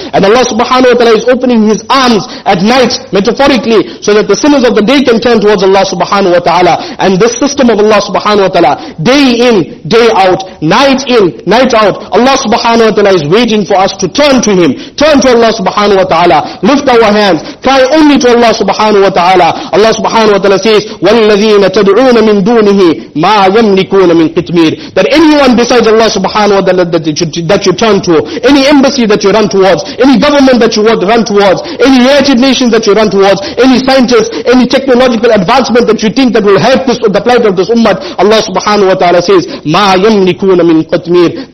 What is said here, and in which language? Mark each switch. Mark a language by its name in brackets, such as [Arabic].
[English] And Allah subhanahu wa ta'ala is opening his arms at night metaphorically so that the sinners of the day can turn towards Allah subhanahu wa ta'ala. And this system of Allah subhanahu wa ta'ala, day in, day out, night in, night out, Allah subhanahu wa ta'ala is waiting for us to turn to Him. Turn to Allah subhanahu wa ta'ala. Lift our hands. Cry only to Allah subhanahu wa ta'ala. Allah subhanahu wa ta'ala says, [Arabic] وَالَّذِينَ تَدْعُونَ مِن دُونِهِ مَا يَمْلِكُونَ مِن قِتْمِيرٍ. [English] That anyone besides Allah subhanahu wa ta'ala that you turn to, any embassy that you run towards, any government that you run towards, any United Nations that you run towards, any scientist, any technological advancement that you think that will help the plight of this ummah, Allah subhanahu wa ta'ala says, [Arabic] يَمْلِكُونَ مِنْ قِتْمِيرٍ.